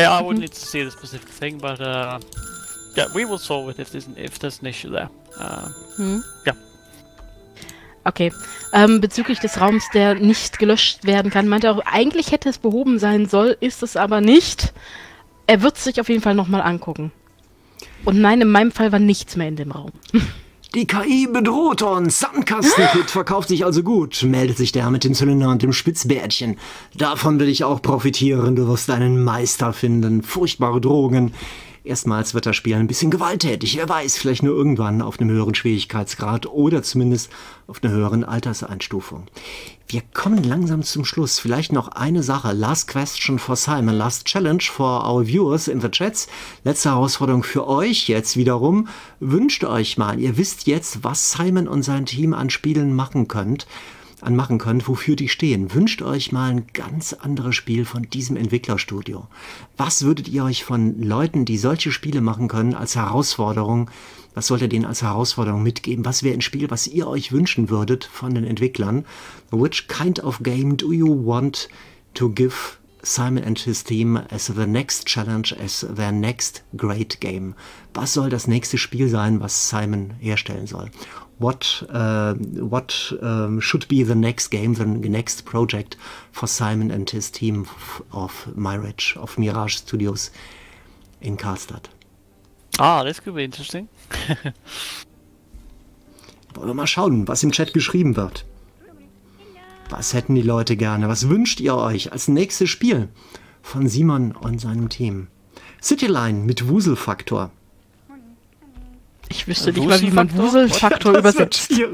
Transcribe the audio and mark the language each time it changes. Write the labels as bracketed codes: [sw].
[en] Yeah, I would need to see the specific thing, but we will solve it if there's an issue there. [de] Okay, bezüglich des Raums, der nicht gelöscht werden kann, meinte er auch, eigentlich hätte es behoben sein sollen, ist es aber nicht. Er wird sich auf jeden Fall nochmal angucken. Und nein, in meinem Fall war nichts mehr in dem Raum. Die KI bedroht uns. Sandkastenkit verkauft sich also gut, meldet sich der mit dem Zylinder und dem Spitzbärtchen. Davon will ich auch profitieren, du wirst einen Meister finden. Furchtbare Drohungen. Erstmals wird das Spiel ein bisschen gewalttätig. Wer weiß, vielleicht nur irgendwann auf einem höheren Schwierigkeitsgrad oder zumindest auf einer höheren Alterseinstufung. Wir kommen langsam zum Schluss. Vielleicht noch eine Sache. [en] Last question for Simon. Last challenge for our viewers in the chats. [de] Letzte Herausforderung für euch jetzt wiederum. Wünscht euch mal, ihr wisst jetzt, was Simon und sein Team an Spielen machen könnt, wofür die stehen. Wünscht euch mal ein ganz anderes Spiel von diesem Entwicklerstudio. Was würdet ihr euch von Leuten, die solche Spiele machen können, als Herausforderung, was solltet ihr denen als Herausforderung mitgeben? Was wäre ein Spiel, was ihr euch wünschen würdet von den Entwicklern? [en] Which kind of game do you want to give Simon and his team as the next challenge, as their next great game? [de] Was soll das nächste Spiel sein, was Simon herstellen soll? [en] What should be the next game, the next project for Simon and his team of Mirage Studios in Karlstadt? Ah, this could be interesting. [de] Wollen wir mal schauen, was im Chat geschrieben wird. Was hätten die Leute gerne? Was wünscht ihr euch als nächstes Spiel von Simon und seinem Team? Cityline mit Wuselfaktor. Ich wüsste nicht mal, wie man Wuselfaktor übersetzt.